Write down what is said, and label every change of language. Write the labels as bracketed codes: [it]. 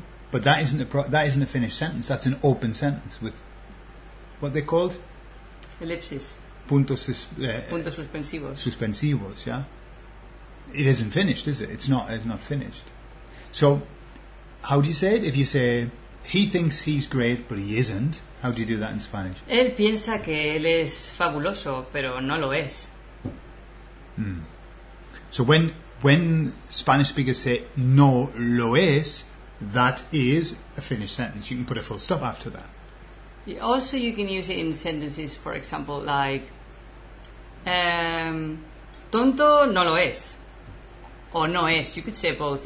[en] But that isn't a that isn't a finished sentence. That's an open sentence with what they're called? Ellipsis. [es] Puntos suspensivos. [en] Suspensivos, yeah. It isn't finished, is it? It's not finished. So how do you say it? If you say he thinks he's great but he isn't, how do you do that in Spanish? [es] Él piensa que él es fabuloso, pero no lo es. Hmm. [en] So when Spanish speakers say [es] no lo es, [en] that is a finished sentence. You can put a full stop after that. Also, you can use it in sentences, for example, like, [es] tonto no lo es, [en] or [es] no es. [en] You could say both.